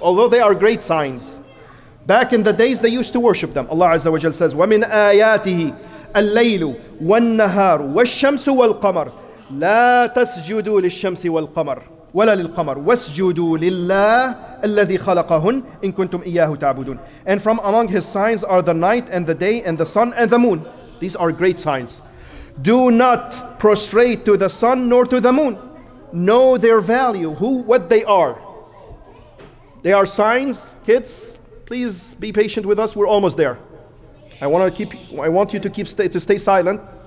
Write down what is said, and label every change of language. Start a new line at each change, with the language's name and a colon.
English: Although they are great signs. Back in the days, they used to worship them. Allah Azza wa Jal says,
Arabic: وَمِنْ آيَاتِهِ اللَّيْلُ وَالنَّهَارُ وَالشَّمْسُ وَالْقَمَرُ لَا تَسْجُدُوا لِلشَّمْسِ وَالْقَمَرُ وَلَا لِلْقَمَرُ وَاسْجُدُوا لِلَّهِ الَّذِي خَلَقَهُنْ إِن كُنْتُمْ إِيَّاهُ تَعْبُدُونَ.
English: And from among his signs are the night and the day and the sun and the moon. These are great signs. Do not prostrate to the sun nor to the moon. Know their value, what they are. They are signs. Kids, please be patient with us. We're almost there. I want you to stay silent.